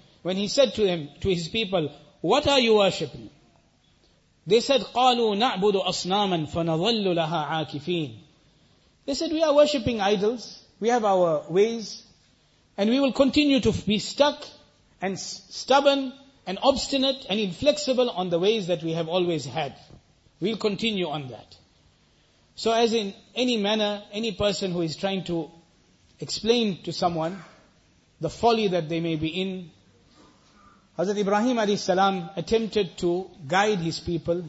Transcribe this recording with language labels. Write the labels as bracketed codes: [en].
[en] When he said to him, to his people, what are you worshipping? They said, [ar] قَالُوا نَعْبُدُ أَصْنَامًا فَنَظَلُّ لَهَا عَاكِفِينَ. [en] They said, we are worshipping idols, we have our ways, and we will continue to be stuck and stubborn and obstinate and inflexible on the ways that we have always had. We'll continue on that. So as in any manner, any person who is trying to explain to someone the folly that they may be in, Hazrat Ibrahim alayhi salam attempted to guide his people.